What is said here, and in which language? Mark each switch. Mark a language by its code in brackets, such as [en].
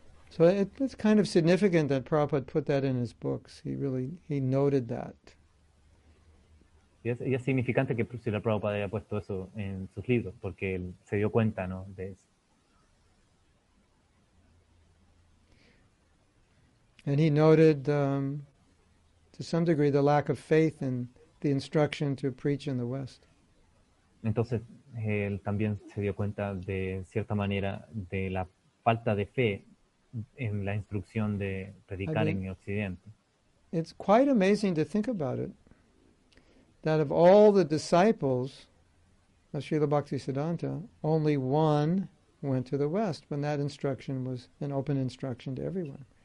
[en] So it's kind of significant that Prabhupada put that in his books. He noted that. [es] Y es significante que Srila Prabhupada haya puesto eso en sus libros, porque él se dio cuenta, ¿no?, de eso. [en] And he noted, to some degree, the lack of faith in the instruction to preach in the West. [es] Entonces, él también se dio cuenta, de cierta manera, de la falta de fe en la instrucción de predicar en Occidente. [en] It's quite amazing to think about it, that of all the disciples of Srila Bhaktisiddhanta, only one went to the West when that instruction was an open instruction to everyone.